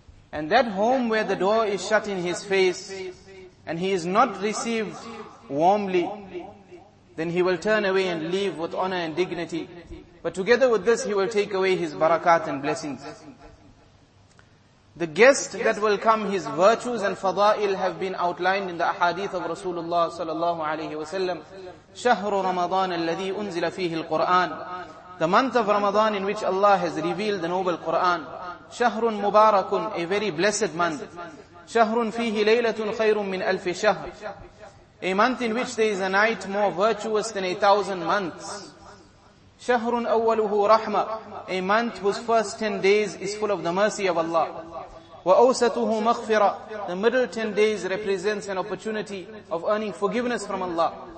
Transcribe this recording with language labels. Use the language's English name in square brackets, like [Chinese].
[English] And that home where the door is shut in his face and he is not received warmly, then he will turn away and leave with honor and dignity. But together with this, he will take away his barakat and blessings. The guest that will come, his virtues and fada'il have been outlined in the ahadith of Rasulullah sallallahu alayhi wa sallam. [Arabic] شهر رمضان الذي أنزل فيه القرآن. [English] The month of Ramadan in which Allah has revealed the noble Quran. [Arabic] شهر مبارك, [English] a very blessed month. [Arabic] شهر فيه ليلة خير من ألف شهر. [English] A month in which there is a night more virtuous than 1,000 months. [Arabic] شهر أوله رحمة, [English] a month whose first 10 days is full of the mercy of Allah. [Arabic] وأوسطه مغفرة, [English] the middle 10 days represents an opportunity of earning forgiveness from Allah.